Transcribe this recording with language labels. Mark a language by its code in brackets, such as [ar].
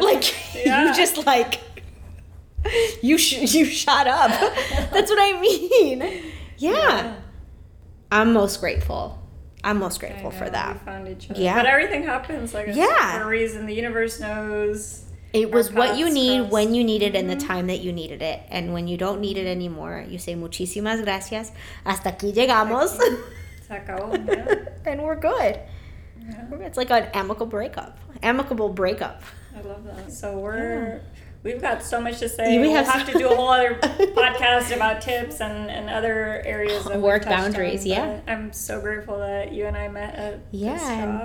[en] Like, you just, like, you shot up. That's what I mean. I'm most grateful for that. We found each other. But everything happens for a reason. The universe knows. It was what you need when you need it in the time that you needed it. And when you don't need it anymore, you say [es] muchísimas gracias, hasta aquí llegamos. [en] And we're good. It's like an amicable breakup. I love that. So we've got so much to say. We'll have to do a whole other podcast about tips and other areas of work boundaries. On, yeah. I'm so grateful that you and I met at this job.